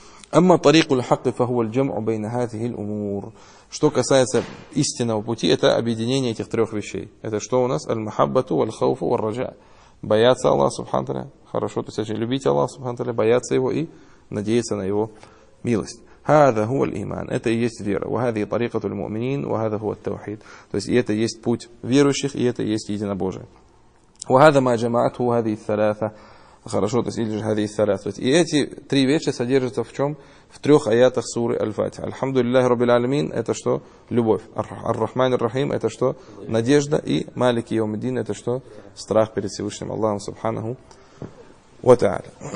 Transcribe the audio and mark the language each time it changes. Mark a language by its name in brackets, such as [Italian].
[Arabic] Амма тарику л-хакки фахуа л-джам'у байна хазихи л-умур. [Russian] Что касается истинного пути, это объединение этих трех вещей. Это что у нас? [Arabic] Аль-махаббату, валь-хауфу, валь-раджа. [Russian] Бояться Аллаха субхану тааля, хорошо, то есть любить Аллаха субхану тааля, бояться его и надеяться на его милость. [Arabic] هذا هو الإيمان. [Russian] Это и есть вера. [Arabic] وهذه طريقة المؤمنين وهذا هو التوحيد. [Russian] То есть и это есть путь верующих и это есть единобожие. [Arabic] وهذا ما جمعته هذه الثلاثة. [Russian] Хорошо, то есть или же [Arabic] هذه الثلاثة. [Russian] То есть и эти три вещи содержатся в чем? В трех аятах суры Аль-Фатиха. [Arabic] الحمد لله رب العالمين. [Russian] Это что? Любовь. [Arabic] الرحمن الرحيم. [Russian] Это что? Надежда. И [Arabic] مالك يوم الدين. [Russian] Это что? Страх перед Всевышним Аллахом Субханаху ва Тааля.